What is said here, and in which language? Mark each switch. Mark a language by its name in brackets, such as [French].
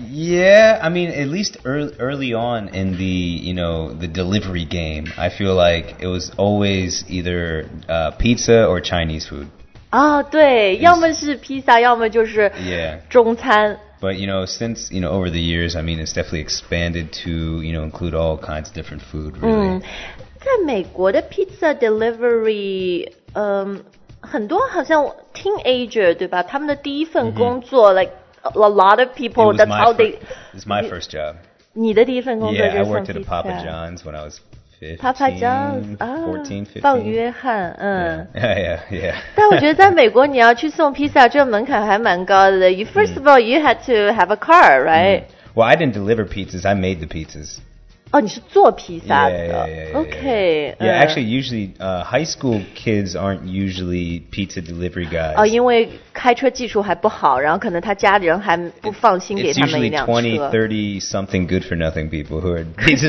[English] yeah I mean at least early on in the you know the delivery game I feel like it was always either pizza or Chinese food [Chinese] Oh, 对，要么是披萨，要么就是中餐。 [English] But you know, since you know over the years, I mean, it's definitely expanded to you know include all kinds of different food. Really. [Chinese] 在美国的 [English] pizza delivery, [Chinese] 很多好像 teenager 对吧？他们的第一份工作、 [English] like a lot of people. That's how they. It's my first job. [Chinese] 你的第一份工作就是 pizza. [English] Yeah, I worked at a Papa John's when I was. [Chinese] Papa John's 啊，放约翰，嗯 [English] ，Yeah. [Chinese] 但我觉得在美国，你要去送披萨，这门槛还蛮高的。 [English] You first of all, you had to have a car, right? Well, I didn't deliver pizzas. I made the pizzas. [Chinese] 哦，你是做披萨的 [English] yeah. ？Okay. Yeah, actually, usually, high school kids aren't usually pizza delivery guys. [Chinese] 哦，因为开车技术还不好，然后可能他家里人还不放心给他们一辆车。 [English] It's usually 20, 30 something good for nothing people who are pizza